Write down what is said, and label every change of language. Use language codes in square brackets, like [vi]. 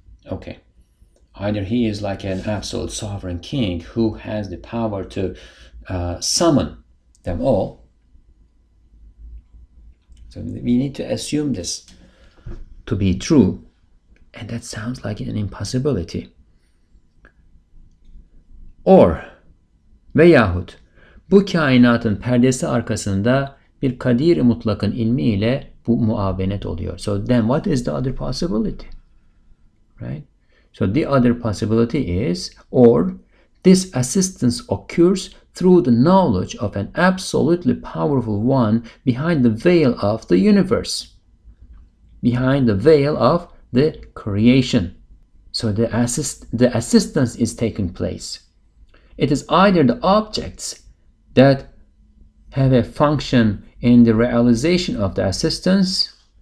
[en] Okay, either he is like an absolute sovereign king who has the power to summon them all. So we need to assume this to be true, and that sounds like an impossibility. [tr] Or veyahut bu kainatın perdesi arkasında bir kadir-i mutlakın ilmiyle bu muavenet oluyor. [en] So then what is the other possibility? Right? So the other possibility is, or this assistance occurs through the knowledge of an absolutely powerful one behind the veil of the universe, behind the veil of the creation. So the assistance is taking place. It is either the objects that have a function in the realization of the assistance.